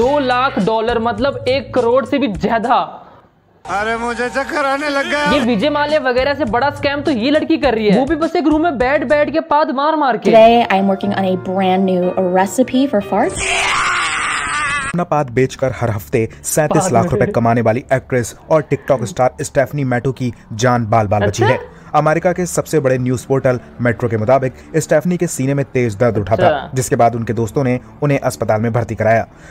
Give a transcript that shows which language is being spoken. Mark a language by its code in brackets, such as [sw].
[hi] $200,000 मतलब 1 crore से भी ज्यादा। अरे मुझे चक्कर आने लग गया। ये विजय माल्या वगैरह से बड़ा स्कैम तो ये लड़की कर रही है, वो भी बस एक रूम में बैठ बैठ के पाद मार मार के। [en] Today I am working on a brand new recipe for farts. [hi] अपना पाद बेचकर हर हफ्ते 37 लाख रुपए कमाने वाली एक्ट्रेस और टिकटॉक स्टार स्टेफनी मेटो की जान बाल बाल बची है। अमेरिका के सबसे बड़े न्यूज पोर्टल मेट्रो के मुताबिक स्टेफनी के सीने में तेज दर्द उठा था, जिसके बाद उनके दोस्तों ने उन्हें अस्पताल में भर्ती कराया।